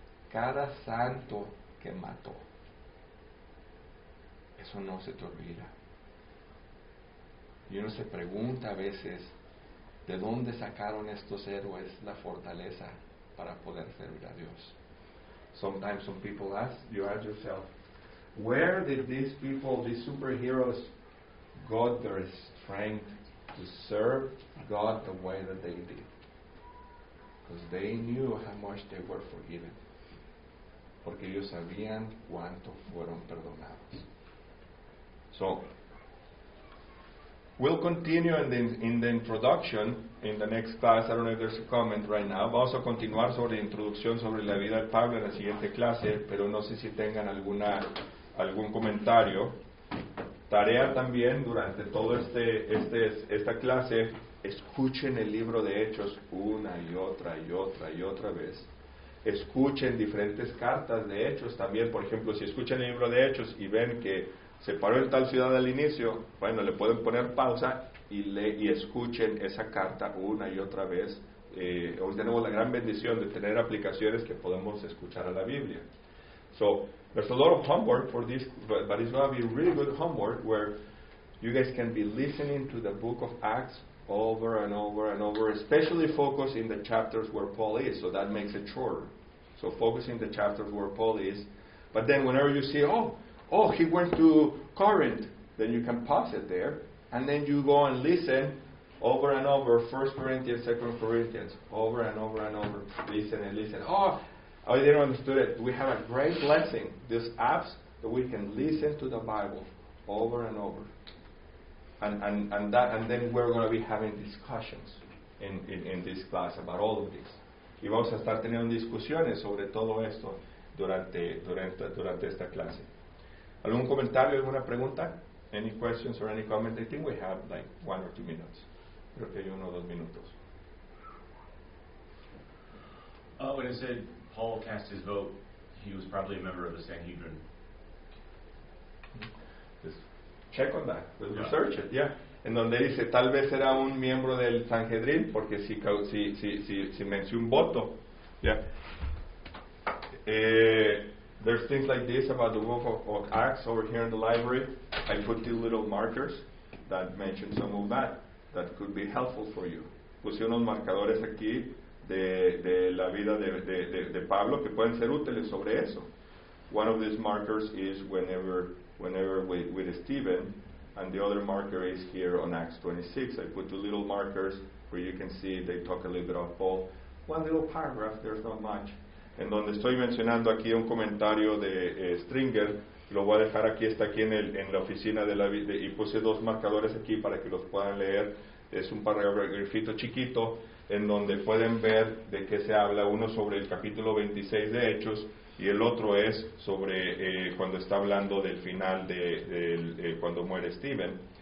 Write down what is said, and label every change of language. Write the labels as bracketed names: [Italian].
[Spanish] Cada santo que mató. Eso no se te olvida. Y uno se pregunta a veces, ¿de dónde sacaron estos héroes la fortaleza para poder servir a Dios? [English] Sometimes some people ask, you ask yourself, where did these people, these superheroes, got their strength to serve God the way that they did? Because they knew how much they were forgiven. [Spanish] Porque ellos sabían cuánto fueron perdonados. [English] So, we'll continue in the introduction in the next class. I don't know if there's a comment right now. [Spanish] Vamos a continuar sobre la introducción sobre la vida de Pablo en la siguiente clase, pero no sé si tengan algún comentario. Tarea también durante todo esta clase, escuchen el libro de Hechos una y otra y otra y otra vez. Escuchen diferentes cartas de Hechos también. Por ejemplo, si escuchan el libro de Hechos y ven que se paró en tal ciudad al inicio, bueno, le pueden poner pausa y escuchen esa carta una y otra vez. Hoy tenemos la gran bendición de tener aplicaciones que podemos escuchar a la Biblia. [English] So, there's a lot of homework for this, but it's going to be really good homework where you guys can be listening to the book of Acts over and over and over, especially focus in the chapters where Paul is, so that makes it shorter. So focus in the chapters where Paul is, but then whenever you see, oh, he went to Corinth, then you can pause it there, and then you go and listen over and over, 1 Corinthians, 2 Corinthians, over and over and over, listen and listen. Oh, I didn't understand it. We have a great blessing, these apps, that we can listen to the Bible over and over. And then we're going to be having discussions in this class about all of this. [Spanish] Y vamos a estar teniendo discusiones sobre todo esto durante esta clase. ¿Algún comentario, alguna pregunta? [English] Any questions or any comment? I think we have like 1 or 2 minutes. [Spanish] Creo que hay 1 o 2 minutos. [English] When it said Paul cast his vote, he was probably a member of the Sanhedrin. Check on that. We'll research it. Yeah. [Spanish] En donde dice, tal vez era un miembro del Sanhedrin, porque si mencionó un voto. [English] Yeah. There's things like this about the book of Acts over here in the library. I put these little markers that mention some of that, that could be helpful for you. [Spanish] Puse unos marcadores aquí de la vida de Pablo que pueden ser útiles sobre eso. [English] One of these markers is whenever with Stephen, and the other marker is here on Acts 26. I put two little markers where you can see they talk a little bit of Paul. One little paragraph, there's not much. [Spanish] En donde estoy mencionando aquí un comentario de Stringer, lo voy a dejar aquí, está aquí en la oficina de la vida, y puse dos marcadores aquí para que los puedan leer. Es un paragrafito chiquito en donde pueden ver de qué se habla, uno sobre el capítulo 26 de Hechos, y el otro es sobre cuando está hablando del final de cuando muere Stephen.